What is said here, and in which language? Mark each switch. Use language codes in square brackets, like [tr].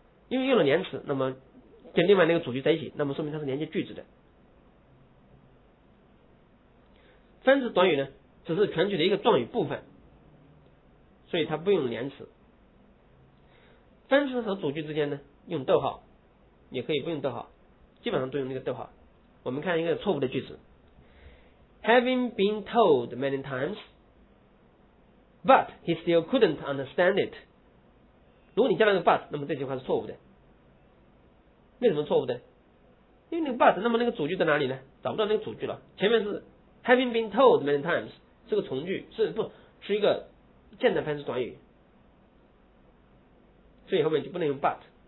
[zh] 因为用了连词，那么跟另外那个主句在一起，那么说明它是连接句子的。分词短语呢，只是全句的一个状语部分，所以它不用连词。分词和主句之间呢，用逗号，也可以不用逗号，基本上都用那个逗号。我们看一个错误的句子 ： [en] Having been told many times, but he still couldn't understand it。 [zh] 如果你加了个 but， 那么这句话是错误的。为什么错误的？因为那个 but， 那么那个主句在哪里呢？找不到那个主句了。前面是 [en] having been told many times， [zh] 是个从句，是一个现在分词短语，所以后面就不能用 but。